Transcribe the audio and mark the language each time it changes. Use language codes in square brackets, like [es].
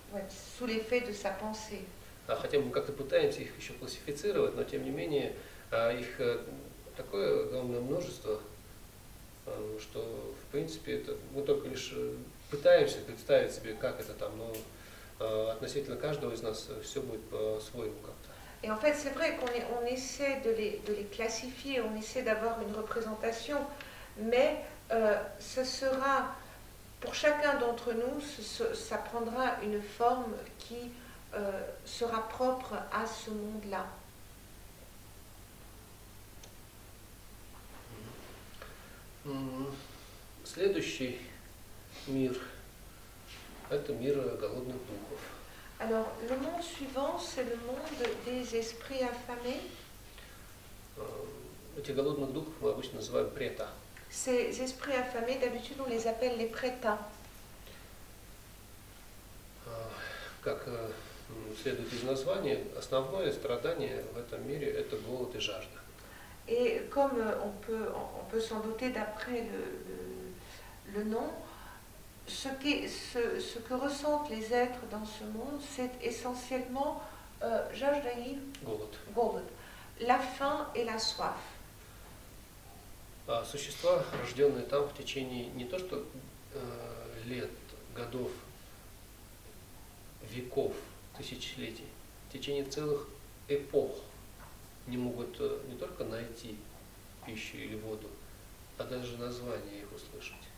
[fr] Sous l'effet de sa pensée. [ru] Хотя мы как-то пытаемся их еще классифицировать, но тем не менее их такое огромное множество, что в принципе это мы только лишь пытаемся представить себе, как это там, но относительно каждого из нас все будет по-своему как-то. [fr] Et en fait, c'est vrai qu'on essaie de les classifier, on essaie d'avoir une représentation, mais ce sera pour chacun d'entre nous, ça prendra une forme qui sera propre à ce monde-là. [ru] Следующий мир – это мир голодных духов. [fr] Alors, le monde suivant, c'est le monde des esprits affamés. [ru] Этих голодных духов мы обычно называем прета. [fr] Ces esprits affamés, d'habitude, on les appelle les prêta. [ru] Как следует из названия, основное страдание в этом мире – это голод и жажда. [fr] Et comme on peut s'en douter d'après le nom, ce que ressentent les êtres dans ce monde, c'est essentiellement jajdaï, [ru] голод, [fr] la faim et la soif. [ru] Существа, рожденные там в течение не то что лет, годов, веков, тысячелетий, в течение целых эпох не могут не только найти пищу или воду, а даже название их услышать.